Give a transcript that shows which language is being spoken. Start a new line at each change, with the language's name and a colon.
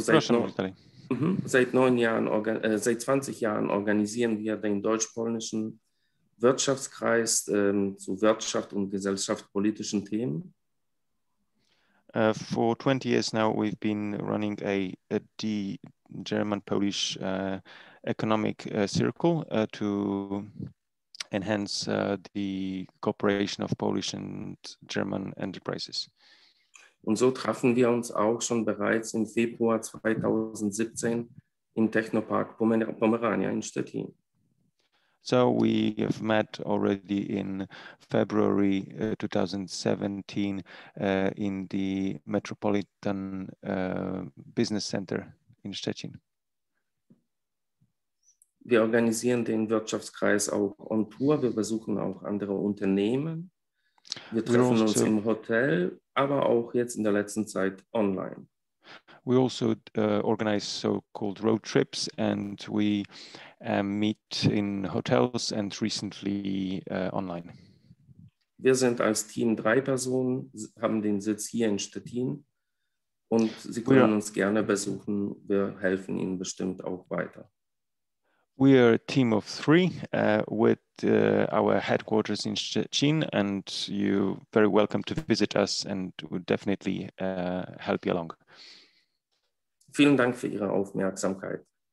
German: seit 9 Jahren, seit 20 Jahren organisieren wir den deutsch-polnischen Wirtschaftskreis zu Wirtschaft und gesellschaftspolitischen Themen.
English: For 20 years now, we've been running a German-Polish economic circle to enhance the cooperation of Polish and German enterprises.
German: Und so trafen wir uns auch schon bereits im Februar 2017 im Technopark Pomerania in Stettin.
English: So we have met already in February 2017 in the Metropolitan Business Center in Stettin.
German: Wir organisieren den Wirtschaftskreis auch on tour. Wir besuchen auch andere Unternehmen. Wir treffen uns im Hotel, aber auch jetzt in der letzten Zeit online.
English: We also organize so-called road trips and we meet in hotels and recently online.
German: Wir sind als Team 3 Personen, haben den Sitz hier in Stettin und Sie können uns gerne besuchen. Wir helfen Ihnen bestimmt auch weiter.
English: We are a team of 3 with our headquarters in Szczecin and you're very welcome to visit us and we'll definitely help you along.
German: Vielen Dank für Ihre Aufmerksamkeit.